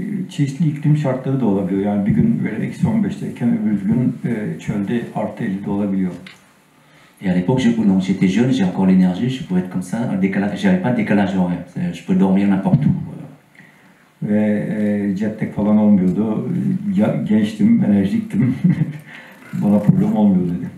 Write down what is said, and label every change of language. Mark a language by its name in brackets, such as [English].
[Turkish] Çeşitli iklim şartları da olabiliyor. Yani bir gün böyle -15'teyken öbür gün çölde +50 de olabiliyor. [French] Et à l'époque, j'étais jeune, j'ai encore l'énergie, je pouvais être comme ça, j'avais pas de décalage horaire, je peux dormir n'importe où. [Turkish] Ve jet lag falan olmuyordu. Ya, gençtim, enerjiktim. Bana problem olmuyor dedi.